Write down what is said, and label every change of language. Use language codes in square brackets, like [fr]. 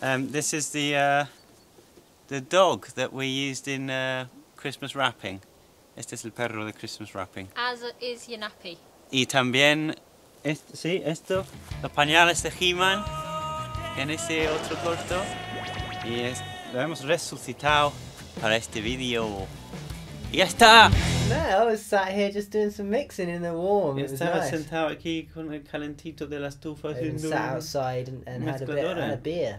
[en] This is the dog that we used in Christmas wrapping. [es] Este es el perro de Christmas wrapping. [en] As is your nappy. [es] Y también, esto, los pañales de He-Man en ese otro corto. Y lo hemos resucitado para este video. ¡Ya está! [en] No, I was sat here just doing some mixing in the warm. It [es] estaba [en] nice. [es] Sentado aquí con el calentito de la estufa. [en] And sat outside and had a bit of a beer.